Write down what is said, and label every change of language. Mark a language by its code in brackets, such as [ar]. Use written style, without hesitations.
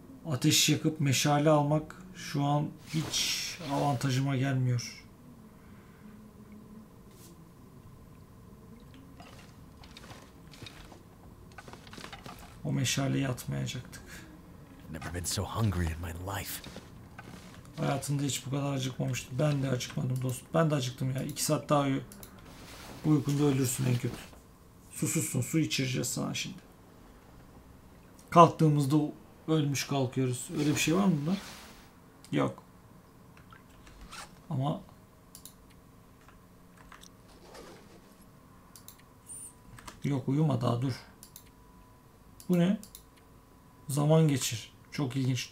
[tr] Ateş yakıp meşale almak şu an hiç avantajıma gelmiyor. O meşaleyi atmayacaktık. [en] Never been so hungry in my life. [tr] Hayatımda hiç bu kadar acıkmamıştım. Ben de acıkmadım dost. Ben de acıktım ya. 2 saat daha uykunda ölürsün en kötü. Susuzsun. Su içireceğiz sana şimdi. Kalktığımızda ölmüş kalkıyoruz. Öyle bir şey var mı bunda? Yok. Ama yok uyuma daha dur. Bu ne? Zaman geçir. Çok ilginç.